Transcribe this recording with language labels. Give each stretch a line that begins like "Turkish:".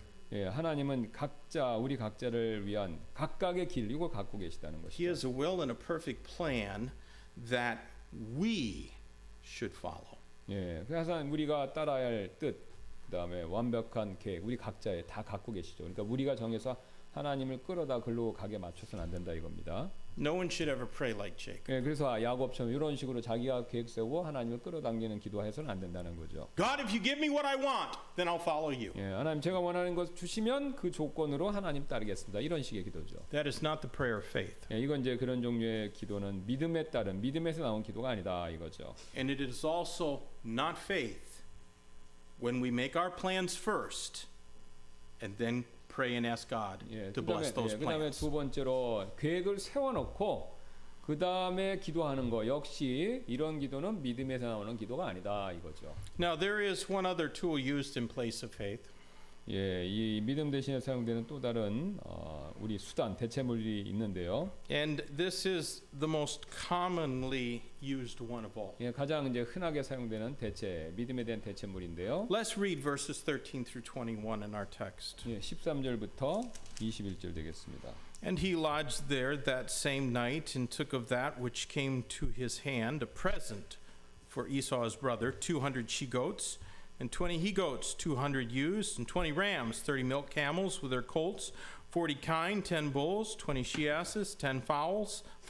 Korean: 예, 하나님은 각자 우리 각자를 위한 각각의 길 이걸 갖고 계시다는 것이죠.
English: He has a will and a perfect plan that we should follow.
Korean: 예, 그래서 우리가 따라야 할 뜻 그다음에 완벽한 계획 우리 각자의 다 갖고 계시죠. 그러니까 우리가 정해서 하나님을 끌어다 글로 가게 맞춰서는 안 된다 이겁니다.
English: No one should ever pray like Jacob.
Korean: 예, 그래서 야곱처럼 이런 식으로 자기가 계획 세우고 하나님을 끌어당기는 기도해서는 안 된다는 거죠.
English: God, if you give me what I want, then I'll follow you.
Korean: 예, 하나님 제가 원하는 것 주시면 그 조건으로 하나님 따르겠습니다. 이런 식의 기도죠.
English: That is not the prayer of faith.
Korean: 예, 이건 이제 그런 종류의 기도는 믿음에 따른 믿음에서 나온 기도가 아니다 이거죠.
English: And it is also not faith when we make our plans first and then pray and ask God to bless those plans.
Korean: 그다음에 두 번째로 계획을 세워놓고 그다음에 기도하는 거 역시 이런 기도는 믿음에서 나오는 기도가 아니다 이거죠.
English: Now there is one other tool used in place of faith.
Korean: 예, 이 믿음 대신에 사용되는 또 다른 우리 수단 대체물이 있는데요.
English: And this is the most commonly used one of all.
Korean: 예, 가장 이제 흔하게 사용되는 대체 믿음에 대한 대체물인데요.
English: Let's read verses 13 through 21 in our text.
Korean: 예, 13절부터 21절 되겠습니다.
English: And he lodged there that same night and took of that which came to his hand a present for Esau's brother, 200 she goats. And 20 he-goats, 200 ewes, and 20 rams, 30 milk camels with their colts, 40 kine, 10 bulls, 20 she-asses, 10 foals.